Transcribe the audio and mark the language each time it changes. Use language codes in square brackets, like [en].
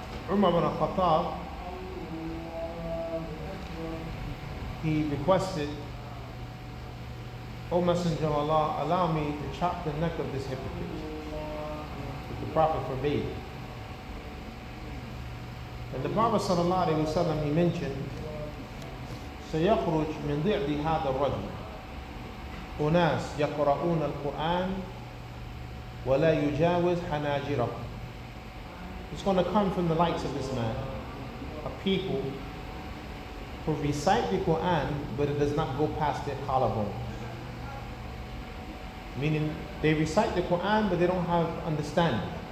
[en] Umar ibn al-Khattab, he requested, O Messenger of Allah, allow me to chop the neck of this hypocrite. But the Prophet forbade. [ar] And the Prophet sallallahu alayhi wa sallam, he mentioned, سيخرج من ضعف هذا الرجل أناس يقرؤون القرآن ولا يجاوز حناجره. [en] It's going to come from the likes of this man, a people who recite the Quran, but it does not go past their collarbone. Meaning, they recite the Quran, but they don't have understanding.